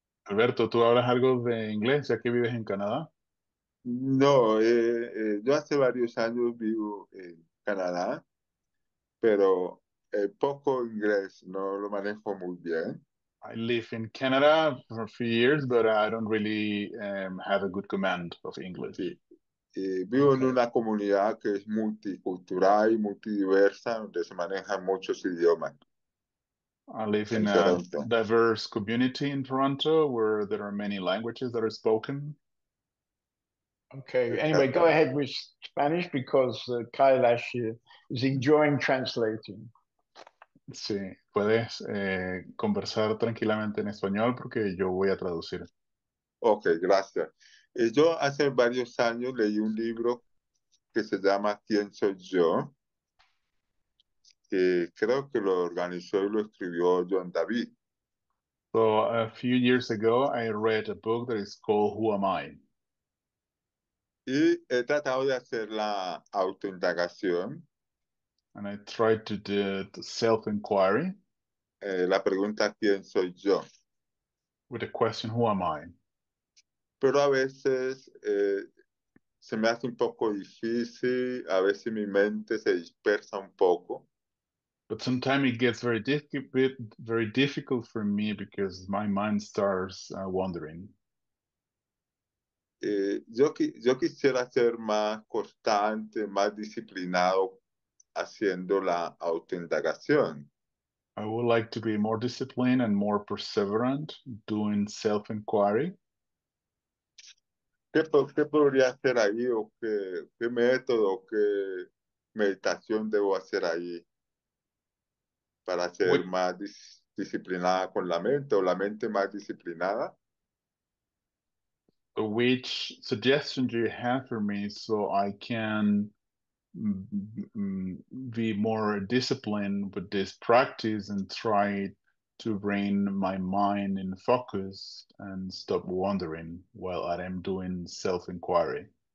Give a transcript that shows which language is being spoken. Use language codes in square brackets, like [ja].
[es] Alberto, ¿tú hablas algo de inglés, ya que vives en Canadá? No, yo hace varios años vivo en Canadá, pero poco inglés, no lo manejo muy bien. [en] I live in Canada for a few years, but I don't really have a good command of English. [es] Sí. Vivo okay. en una comunidad que es multicultural y multidiversa, donde se manejan muchos idiomas. [en] I live in a diverse community in Toronto, where there are many languages that are spoken. Okay, anyway, go ahead with Spanish because Kailash is enjoying translating. [es] Sí, puedes conversar tranquilamente en español porque yo voy a traducir. Okay, gracias. Yo hace varios años leí un libro que se llama ¿Quién soy yo? Que creo que lo organizó y lo escribió John David. [en] So, a few years ago, I read a book that is called Who Am I? [es] Y he tratado de hacer la autoindagación. [en] And I tried to do the self-inquiry. [es] La pregunta, ¿quién soy yo? [en] With the question, ¿who am I? [es] Pero a veces se me hace un poco difícil, a veces mi mente se dispersa un poco. [en] But sometimes it gets very difficult for me because my mind starts wandering. [es] Yo quisiera ser más constante, más disciplinado haciendo la autoindagación. [en] I would like to be more disciplined and more perseverant doing self-inquiry. [es] ¿Qué podría hacer ahí o qué método, qué meditación debo hacer ahí para ser más disciplinada con la mente o la mente más disciplinada? [en] Which suggestion do you have for me so I can be more disciplined with this practice and try to bring my mind in focus and stop wandering while I am doing self-inquiry?